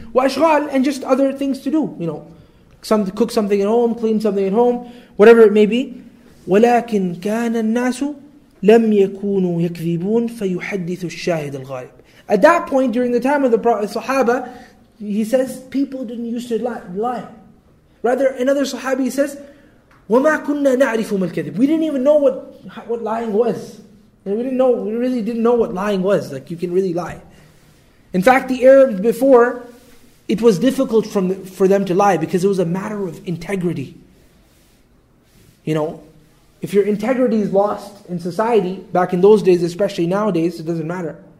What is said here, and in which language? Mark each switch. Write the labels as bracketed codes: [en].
[ar] وَأَشْغَال, [en] and just other things to do. You know, some cook something at home, clean something at home, whatever it may be. [ar] وَلَكِنْ كَانَ النَّاسُ لَمْ يَكُونُوا يَكْذِبُونَ فَيُحَدِّثُ الشَّاهِدُ الْغَائِبُ. [en] At that point, during the time of the Sahaba, he says, people didn't used to lie. Rather, another Sahabi says, [ar] وَمَا كُنَّا نَعْرِفُ مَا الْكَذِبُ. [en] We didn't even know what lying was. And we didn't know. We really didn't know what lying was. Like, you can really lie. In fact, the Arabs before, it was difficult for them to lie because it was a matter of integrity. You know, if your integrity is lost in society, back in those days, especially nowadays, it doesn't matter.